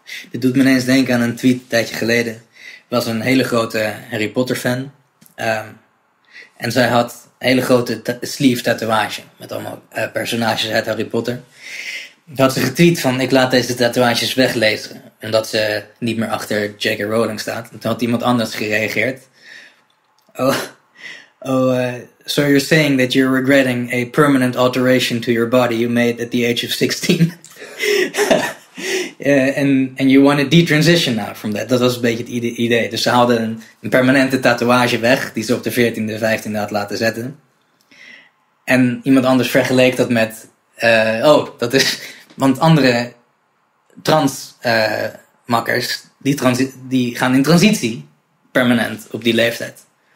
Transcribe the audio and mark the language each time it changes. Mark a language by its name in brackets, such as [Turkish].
[Dutch] Dit doet me ineens denken aan een tweet een tijdje geleden. Ik was een hele grote Harry Potter fan. En zij had een hele grote sleeve tatoeage. Met allemaal personages uit Harry Potter. Dat had ze getweet van, ik laat deze tatoeages weglezen. En dat ze niet meer achter J.K. Rowling staat. En toen had iemand anders gereageerd. [English] Oh, so you're saying that you're regretting a permanent alteration to your body you made at the age of 16. and you want to detransition now from that. [Dutch] Dat was een beetje het idee. Dus ze haalden een permanente tatoeage weg die ze op de 14e, 15e had laten zetten. En iemand anders vergeleek dat met, dat is, want andere trans makkers die gaan in transitie permanent op die leeftijd.